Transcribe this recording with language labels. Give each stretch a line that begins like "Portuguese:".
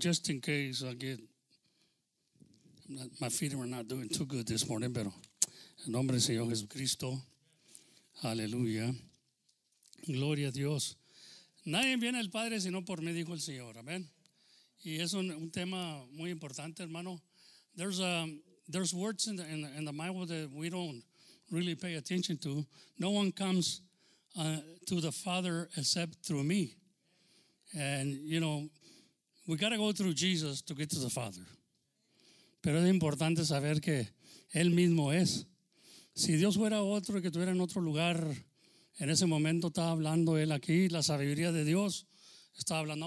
English: Just in case I get... My feet were not doing too good this morning,
Spanish: pero en nombre del Señor Jesucristo, aleluya, gloria a Dios. Nadie viene al Padre sino por mí, dijo el Señor, amén. Y es un tema muy importante, hermano.
English: There's words in the Bible that we don't really pay attention to. No one comes to the Father except through me. And, you know, we got to go through Jesus to get to the Father.
Spanish: Pero es importante saber que Él mismo es. Si Dios fuera otro y que estuviera en otro lugar, en ese momento estaba hablando Él aquí, la sabiduría de Dios estaba hablando.